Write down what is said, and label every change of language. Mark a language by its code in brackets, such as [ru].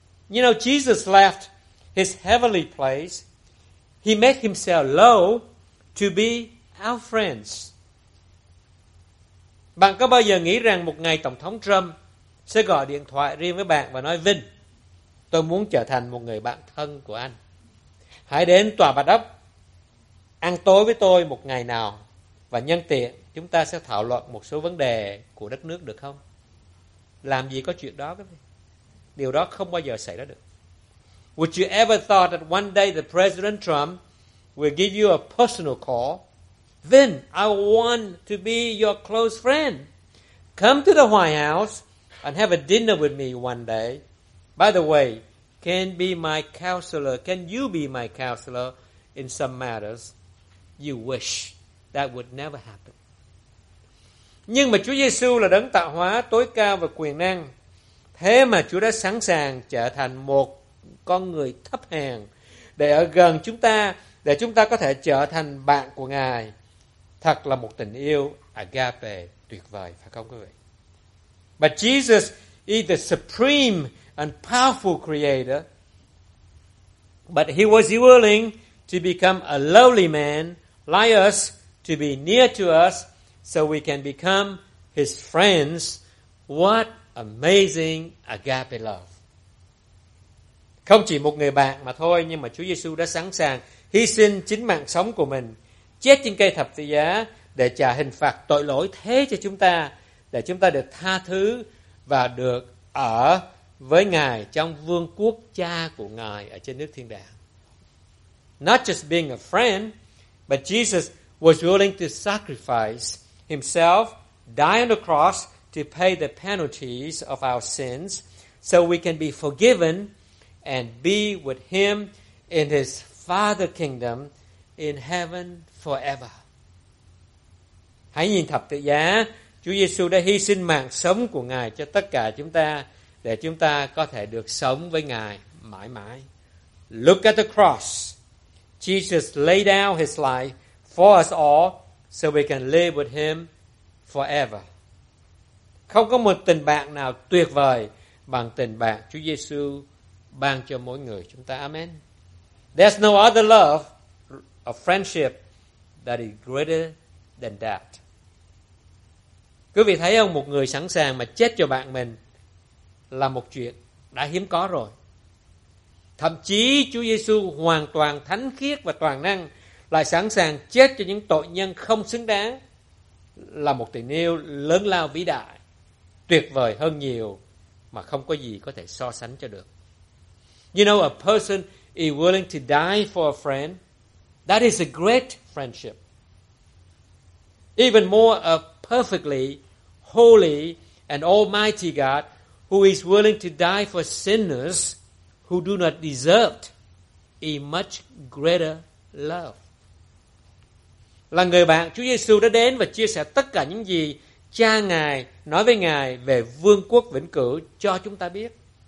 [en] You know, Jesus left his heavenly place. He made himself low to be our friends. [vi] Bạn có bao giờ nghĩ rằng một ngày Tổng thống Trump sẽ gọi điện thoại riêng với bạn và nói, Vinh, tôi muốn trở thành một người bạn thân của anh. Hãy đến tòa Bạch Ốc ăn tối với tôi một ngày nào và nhân tiện chúng ta sẽ thảo luận một số vấn đề của đất nước được không? Làm gì có chuyện đó các bạn? Điều đó không bao giờ xảy ra được. [en] Would you ever thought that one day the President Trump will give you a personal call? Vin, I want to be your close friend. Come to the White House and have a dinner with me one day. By the way, can be my counselor, can you be my counselor in some matters you wish? That would never happen. [vi] Nhưng mà Chúa Giê-xu là đấng tạo hóa tối cao và quyền năng. Thế mà Chúa đã sẵn sàng trở thành một con người thấp hèn để ở gần chúng ta, để chúng ta có thể trở thành bạn của Ngài. Thật là một tình yêu agape tuyệt vời, phải không quý vị? [en] But Jesus is the supreme and powerful creator, but he was willing to become a lowly man like us, to be near to us, so we can become his friends. What amazing agape love. [vi] Không chỉ một người bạn mà thôi, nhưng mà Chúa Giê-xu đã sẵn sàng hy sinh chính mạng sống của mình, chết trên cây thập tự giá để trả hình phạt tội lỗi thế cho chúng ta, để chúng ta được tha thứ và được ở với Ngài trong vương quốc cha của Ngài ở trên nước thiên đàng. [en] Not just being a friend, but Jesus was willing to sacrifice himself, die on the cross to pay the penalties of our sins so we can be forgiven and be with him in his Father kingdom in heaven forever. [vi] Hãy nhìn thập tự giá, Chúa Giê-xu đã hy sinh mạng sống của Ngài cho tất cả chúng ta để chúng ta có thể được sống với Ngài mãi mãi. [en] Look at the cross. Jesus laid down his life for us all so we can live with him forever. [vi] Không có một tình bạn nào tuyệt vời bằng tình bạn Chúa Giê-xu ban cho mỗi người chúng ta. [en] Amen. There's no other love or friendship that is greater than that. [vi] Quý vị thấy không, một người sẵn sàng mà chết cho bạn mình là một chuyện đã hiếm có rồi. Thậm chí Chúa Giê-xu hoàn toàn thánh khiết và toàn năng lại sẵn sàng chết cho những tội nhân không xứng đáng là một tình yêu lớn lao vĩ đại, tuyệt vời hơn nhiều mà không có gì có thể so sánh cho được. [en] You know, a person is willing to die for a friend, that is a great friendship. Even more, a perfectly holy and almighty God who is willing to die for sinners who do not deserve a much greater love. [vi] Là người bạn, Chúa Giê-xu đã đến và chia sẻ tất cả những gì cha Ngài nói với Ngài về vương quốc vĩnh cửu cho chúng ta biết.